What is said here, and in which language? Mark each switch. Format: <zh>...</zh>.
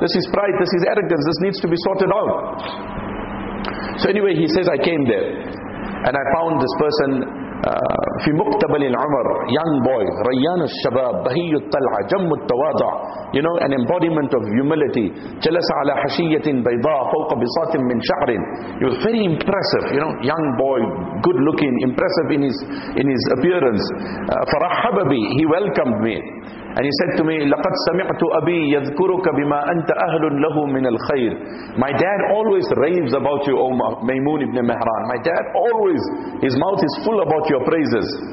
<en>This is pride, this is arrogance, this needs to be sorted out. So anyway, he says, I came there and I found this person,</en> <ar>في مقتبل العمر,</ar> <en>young boy,</en> <ar>ريان الشباب, بهي الطلعة, جم التواضع,</ar> <en>you know, an embodiment of humility.</en> <ar>جلس على حشية بيضاء فوق بساط من شعر.</ar> <en>He was very impressive, you know, young boy, good looking, impressive in his appearance.</en> <ar>فرحب بي,</ar> <en>he welcomed me, and he said to me,</en> <ar>لقد سمعت أبي يذكرك بما أنت أهل له من الخير.</ar> <en>My dad always raves about you, O Maymoon ibn Mahran. My dad always, his mouth is full about your praises.</en>